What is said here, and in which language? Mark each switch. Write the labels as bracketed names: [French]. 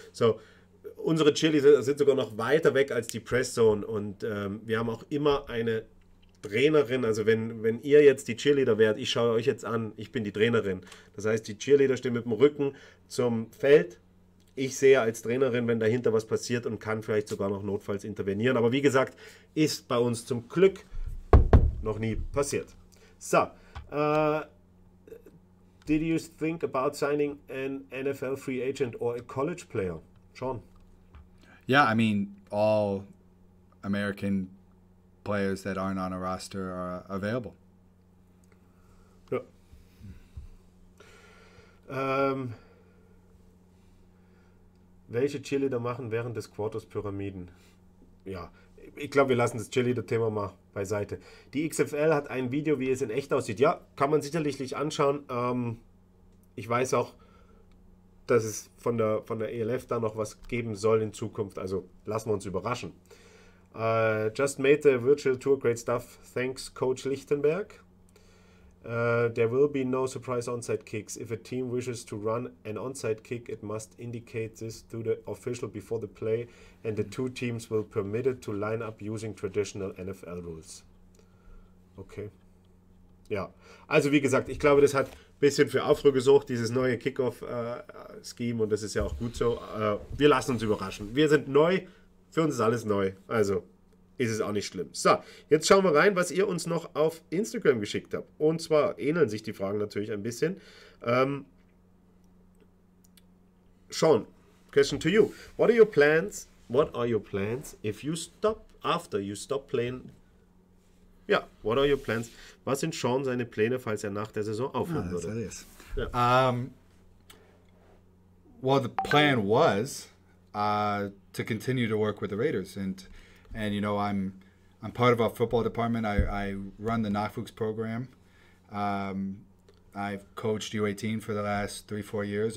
[German] So, unsere Cheerleader sind sogar noch weiter weg als die Press Zone und wir haben auch immer eine Trainerin, also wenn ihr jetzt die Cheerleader wärt, ich schaue euch jetzt an, ich bin die Trainerin. Das heißt, die Cheerleader stehen mit dem Rücken zum Feld. Ich sehe als Trainerin, wenn dahinter was passiert und kann vielleicht sogar noch notfalls intervenieren. Aber wie gesagt, ist bei uns zum Glück noch nie passiert. [English] So, did you think about signing an NFL free agent or a college player? Sean? Yeah, I mean, all American players that aren't on a roster are available. [German] Ja. Welche Cheerleader machen während des Quarters Pyramiden? Ja, Ich glaube, wir lassen das Cheerleader-Thema mal beiseite. Die XFL hat ein Video, wie es in echt aussieht. Ja, kann man sicherlich nicht anschauen. Ich weiß auch, dass es von der ELF da noch was geben soll in Zukunft. Also lassen wir uns überraschen. [English] Just made the virtual tour. Great stuff. Thanks, Coach Lichtenberg. There will be no surprise onside kicks. If a team wishes to run an onside kick, it must indicate this to the official before the play, and the two teams will permit it to line up using traditional NFL rules. Okay. [German] Ja, also wie gesagt, ich glaube, das hat ein bisschen für Aufruhr gesorgt, dieses neue Kickoff-Scheme, und das ist ja auch gut so. Wir lassen uns überraschen. Wir sind neu, für uns ist alles neu, also ist es auch nicht schlimm. So, jetzt schauen wir rein, was ihr uns noch auf Instagram geschickt habt. Und zwar ähneln sich die Fragen natürlich ein bisschen. [English] Sean, question to you. What are your plans if you stop, after you stop playing? Ja, what are your plans? [German] Was sind Sean seine Pläne, falls er nach der Saison aufhören würde? [English] That is. Yeah. Well, the plan was to continue to work with the Raiders. And you know, I'm part of our football department. I run the NACFUCS program. I've coached U18 for the last 3-4 years.